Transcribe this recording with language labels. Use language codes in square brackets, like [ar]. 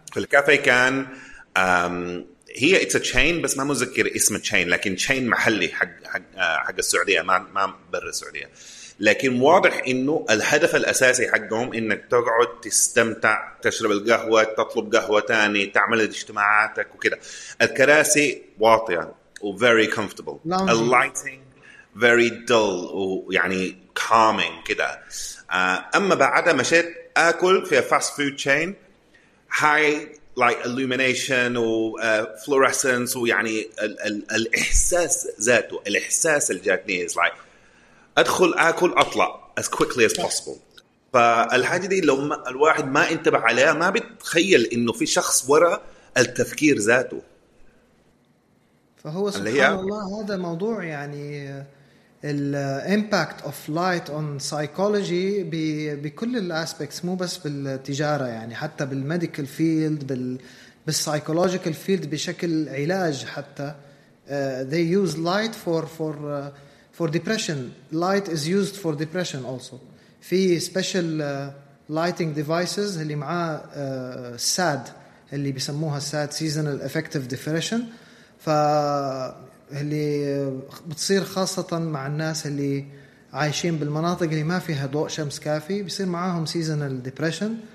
[ar] في الكافيه كان هي [en] it's a chain [ar] بس ما مذكر اسم chain لكن chain محلي حق السعودية ما برا السعودية. لكن واضح إنه الهدف الأساسي حقهم إنك تقعد تستمتع تشرب القهوة تطلب قهوة تاني تعمل اجتماعاتك وكده. الكراسي واطية و [en] very comfortable. Lounge. Lighting very dull [ar] ويعني [en] calming كده. [ar] أما بعدها مشيت أكل في [en] a fast food chain high like illumination [ar] و fluorescence ويعني الإحساس ذاته الإحساس الجاتني is like أدخل أكل أطلع [en] as quickly as possible. [ar] فالحاجة دي لو الواحد ما انتبه عليها ما بتخيل انه في شخص وراء التفكير ذاته. فهو سبحان الله هذا موضوع يعني الـ [en] impact of light on psychology [ar] بكل الأسبكتس، مو بس بالتجارة يعني، حتى بالميديكال فيلد، بالسايكولوجيكال فيلد، بشكل علاج حتى. [en] They use light for depression. Light is used for depression also. [ar] في [en] special lighting devices [ar] اللي معاه sad، اللي بيسموها [en] sad seasonal affective depression، [ar] فاللي بتصير خاصة مع الناس اللي عايشين بالمناطق اللي ما فيها ضوء شمس كافي، بيصير معاهم [en] seasonal depression.